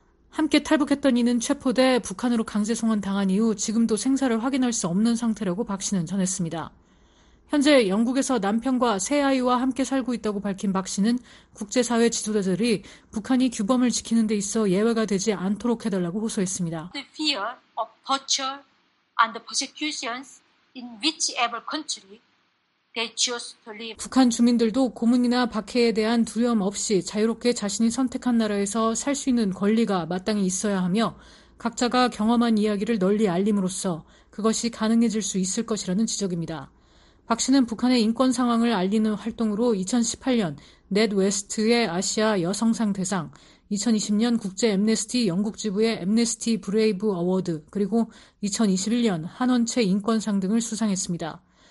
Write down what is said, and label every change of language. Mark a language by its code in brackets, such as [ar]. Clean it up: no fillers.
[ko] 함께 탈북했던 이는 체포돼 북한으로 강제 송환당한 이후 지금도 생사를 확인할 수 없는 상태라고 박 씨는 전했습니다. 현재 영국에서 남편과 세 아이와 함께 살고 있다고 밝힌 박 씨는 국제사회 지도자들이 북한이 규범을 지키는 데 있어 예외가 되지 않도록 해달라고 호소했습니다. [en] The fear of torture and persecutions in whichever country they choose to live. [ko] 북한 주민들도 고문이나 박해에 대한 두려움 없이 자유롭게 자신이 선택한 나라에서 살 수 있는 권리가 마땅히 있어야 하며 각자가 경험한 이야기를 널리 알림으로써 그것이 가능해질 수 있을 것이라는 지적입니다. 박 씨는 북한의 인권 상황을 알리는 활동으로 2018년 넷웨스트의 아시아 여성상 대상, 2020년 국제 앰네스티 영국 지부의 앰네스티 브레이브 어워드, 그리고 2021년 한원체 인권상 등을 수상했습니다.